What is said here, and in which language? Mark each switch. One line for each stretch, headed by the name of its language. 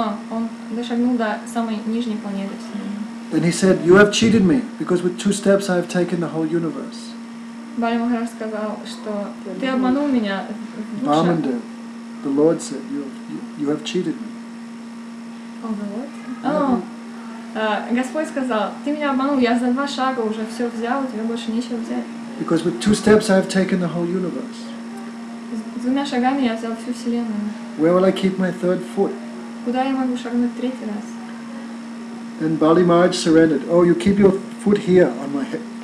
Russian: Он дошагнул до самой нижней планеты вселенной.
English: And he said, "You have cheated me, because with 2 steps I have taken the whole universe."
Russian: Бали Махарадж сказал, что ты обманул меня.
English: Бамандев. The Lord said, "You have cheated me."
Russian: Господь сказал, ты меня обманул. Я за 2 шага уже все взял, у тебя больше нечего взять.
English: Because with 2 steps I have taken the whole universe.
Russian: С 2 шагами я взял всю вселенную.
English: Where will I keep my 3rd foot?
Russian: Куда я могу шагнуть 3-й раз?
English: Then Bali Maharaj surrendered. Oh, you keep your foot here on my head.